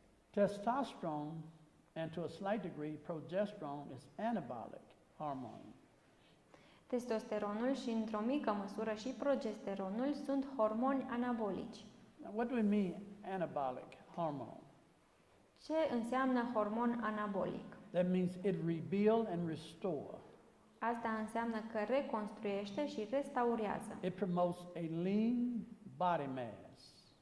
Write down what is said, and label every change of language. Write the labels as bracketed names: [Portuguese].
[English] Testosterone and to a slight degree progesterone is anabolic hormone. [Romanian] Testosteronul și într-o mică măsură și progesteronul sunt hormoni anabolici. [English] Now, what do we mean anabolic hormone? [Romanian] Ce înseamnă hormon anabolic? [English] That means it rebuild and restore. [Romanian] Asta înseamnă că reconstruiește și restaurează. [English] It promotes a lean body mass.